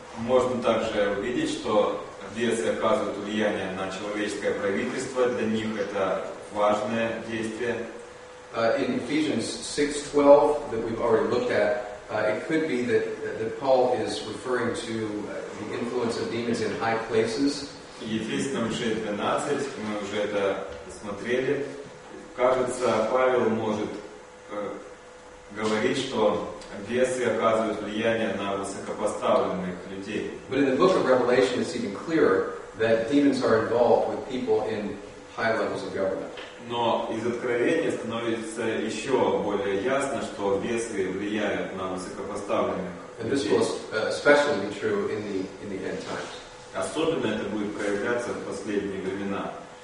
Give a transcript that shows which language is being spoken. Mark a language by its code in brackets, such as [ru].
[ru] Можно также увидеть, что бесы оказывают влияние на человеческое правительство, для них это важное действие. [en] In Ephesians 6:12 that we've already looked at, it could be that Paul is referring to the influence of demons in high places. [ru] Ефесянам 6:12 мы уже это смотрели. Кажется, Павел может говорить, что бесы оказывают влияние на высокопоставленных людей. [en] But in the book of Revelation, it's even clearer that demons are involved with people in high levels of government. [ru] Но из Откровения становится еще более ясно, что бесы влияют на высокопоставленных людей. [en] And this will especially be true in the end times. [ru] Особенно это будет проявляться в последние времена.